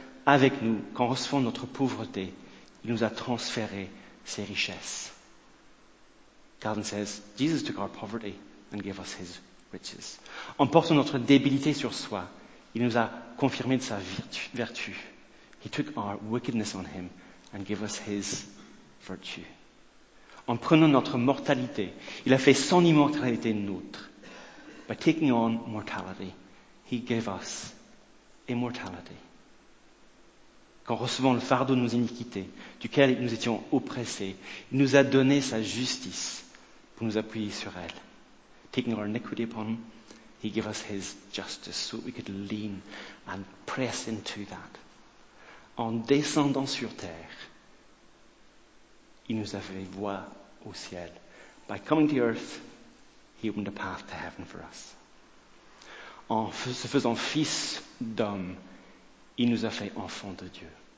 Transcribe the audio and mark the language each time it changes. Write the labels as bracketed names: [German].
[French] Avec nous, quand recevons notre pauvreté, il nous a transféré ses richesses. [English] Calvin says, Jesus took our poverty and gave us his riches. [French] En portant notre débilité sur soi, il nous a confirmé de sa vertu. [English] He took our wickedness on him and gave us his virtue. [French] En prenant notre mortalité, il a fait son immortalité nôtre. [English] By taking on mortality, he gave us immortality. [French] Quand recevant le fardeau de nos iniquités, duquel nous étions oppressés, il nous a donné sa justice pour nous appuyer sur elle. [English] Taking our iniquity upon him, he gave us his justice so we could lean and press into that. [French] En descendant sur terre, il nous a fait voie au ciel. [English] By coming to earth, he opened a path to heaven for us. [French] En se faisant fils d'homme, il nous a fait enfants de Dieu.